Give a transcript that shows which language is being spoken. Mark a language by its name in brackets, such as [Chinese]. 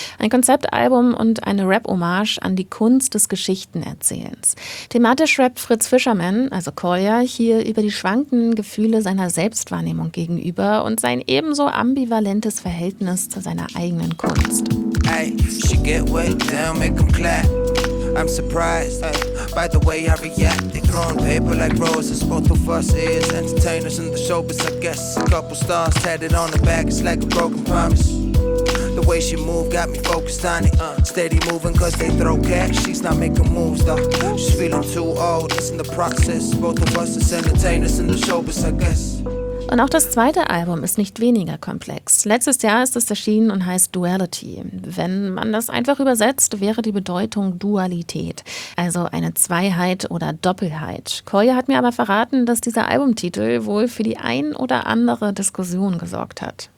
[German] Ein Konzeptalbum und eine Rap-Hommage an die Kunst des Geschichtenerzählens. Thematisch rappt Fritz Fisherman, also Koya, hier über die schwankenden Gefühle seiner Selbstwahrnehmung gegenüber und sein ebenso ambivalentes Verhältnis zu seiner eigenen Kunst. [English] Hey, she get wet, make 'em clap. I'm surprised by the way I react. They throw on paper like roses. Both of us is entertainers and the showbiz, I guess. A couple stars tatted on the back, it's like a broken promise. The way she moved got me focused on it. Steady moving cause they throw cash. She's not making moves though. She's feeling too old, it's in the process. Both of us is entertainers and the showbiz, I guess. [German] Und auch das zweite Album ist nicht weniger komplex. Letztes Jahr ist es erschienen und heißt Duality. Wenn man das einfach übersetzt, wäre die Bedeutung Dualität, also eine Zweiheit oder Doppelheit. Koya hat mir aber verraten, dass dieser Albumtitel wohl für die ein oder andere Diskussion gesorgt hat.